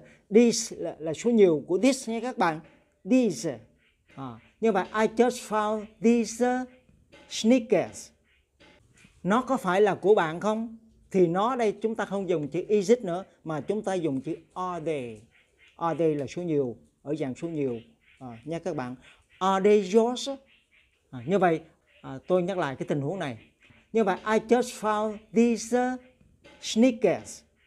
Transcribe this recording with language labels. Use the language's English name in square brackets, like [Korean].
[Vietnamese] These là số nhiều của this nha các bạn. [English] These. [Vietnamese] Như vậy [English] I just found these sneakers. [Vietnamese] Nó có phải là của bạn không? Thì nó đây chúng ta không dùng chữ is it nữa, mà chúng ta dùng chữ are they. Are they là số nhiều, ở dạng số nhiều nha các bạn. [English] Are they yours? [Vietnamese] Như vậy, tôi nhắc lại cái tình huống này. Như vậy, [English] I just found these sneakers.